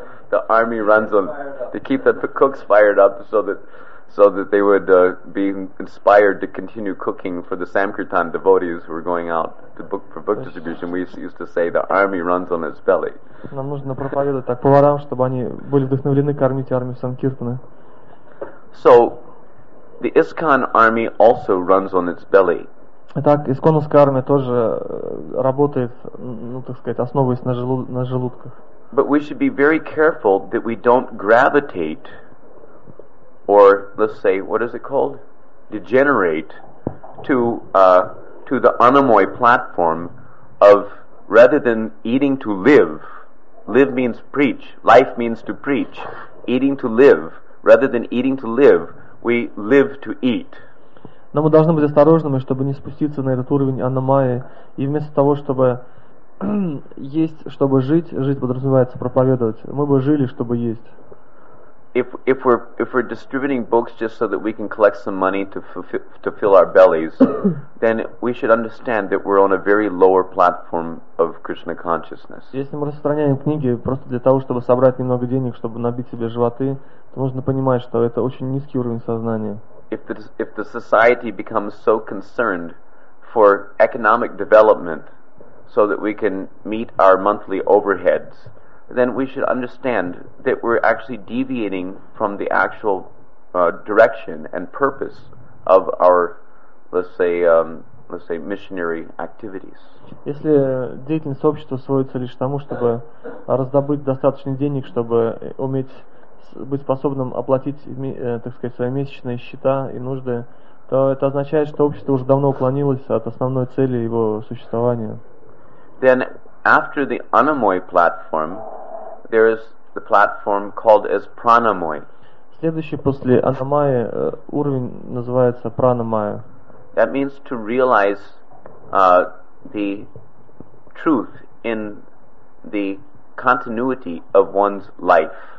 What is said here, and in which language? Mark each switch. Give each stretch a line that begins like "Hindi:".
English: The army runs on to keep the cooks fired up so that they would be inspired to continue cooking for the Samkirtan devotees who were going out to book distribution. We used to say the army runs on its belly.
Russian: Нам нужно проповедовать так поварам, чтобы они были вдохновлены кормить армию Самкиртаны.
English: So the ISKCON army also runs on its belly.
Russian: Итак, исконовская армия тоже работает, ну, так сказать, основываясь на желудках.
English: But we should be very careful that we don't gravitate, or let's say, what is it called? Degenerate to the anamoy platform of rather than eating to live. Live means preach. Life means to preach. Eating to live. Rather than eating to live, we live to eat.
Russian: Но мы должны быть осторожными, чтобы не спуститься на этот уровень аномаи. И вместо того, чтобы есть, чтобы жить, жить подразумевается проповедовать. Мы бы жили, чтобы есть.
English: If we're distributing books just so that we can collect some money to fill our bellies, then we should understand that we're on a very lower platform of Krishna consciousness.
Russian: Если мы распространяем книги просто для того, чтобы собрать немного денег, чтобы набить себе животы, то нужно понимать, что это очень низкий уровень сознания.
English: If the society becomes so concerned for economic development so that we can meet our monthly overheads, then we should understand that we're actually deviating from the actual direction and purpose of our, let's say, missionary activities.
Russian: Если деятельность общества сводится лишь к тому, чтобы раздобыть достаточно денег, чтобы уметь быть способным оплатить, так сказать, свои месячные счета и нужды, то это означает, что общество уже давно уклонилось от основной цели его существования.
English: Then after the Anamoy platform, there is the platform called as Pranamoy.
Russian: Следующий после Анамайи уровень называется Пранамайя.
English: That means to realize the truth in the continuity of one's life.